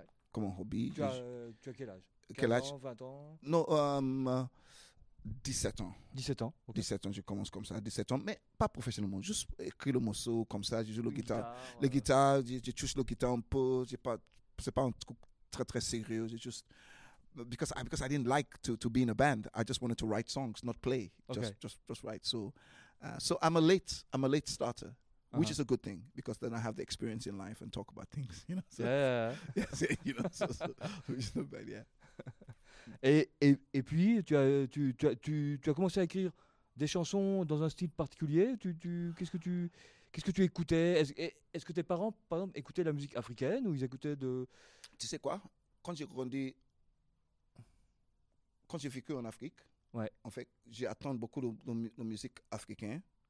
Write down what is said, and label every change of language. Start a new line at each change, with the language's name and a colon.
French: Tu as quel âge? 20 ans? Non, 17 ans. 17 ans, ok. 17 ans, je commence comme ça, 17 ans, mais pas professionnellement. Juste écrire le morceau comme ça, je joue la guitare, je touche la guitare un peu. C'est pas un truc très, très sérieux. C'est juste...
English: Because I didn't like to be in a band. I just wanted to write songs, not play. Just write. So I'm a late starter, which is a good thing because then I have the experience in life and talk about things, you know. Which is not bad.
French: Et puis tu as commencé à écrire des chansons dans un style particulier. Qu'est-ce que tu écoutais? Est-ce que tes parents, par exemple, écoutaient la musique africaine ou ils écoutaient de... Tu sais quoi? Quand j'ai vécu en Afrique, en fait, j'ai attendu beaucoup de musique africaine.